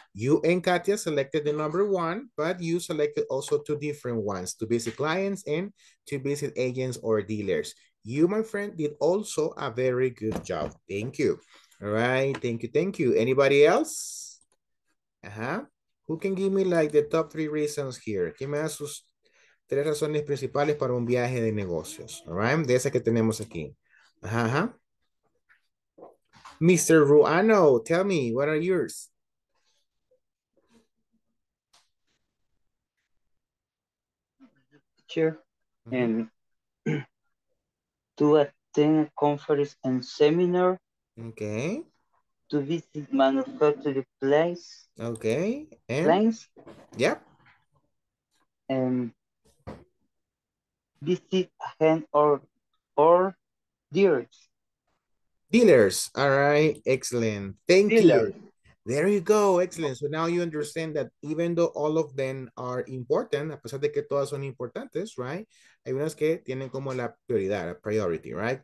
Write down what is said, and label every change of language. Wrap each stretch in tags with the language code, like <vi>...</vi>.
<en>You and Katia selected the number one, but you selected also two different ones, to visit clients and to visit agents or dealers. You, my friend, did also a very good job. Thank you. All right. Thank you. Thank you. Anybody else? Uh-huh. Who can give me like the top three reasons here?</en> <es>¿Quién me da sus tres razones principales para un viaje de negocios?</es> <en>All right.</en> <es>De esas que tenemos aquí. Uh-huh. Mr.</es> <en>Ruano, tell me, what are yours? Sure. To attend a conference and seminar. Okay. To visit manufacturing plants. Okay. And? Plants. Yep. And visit hand or dealers. Dealers. All right. Excellent. Thank Dealer. You. There you go. Excellent. So now you understand that even though all of them are important,</en> <es>a pesar de que todas son importantes,</es> <en>right?</en> <es>Hay unas que tienen como la prioridad,</es> <en>a priority, right?</en>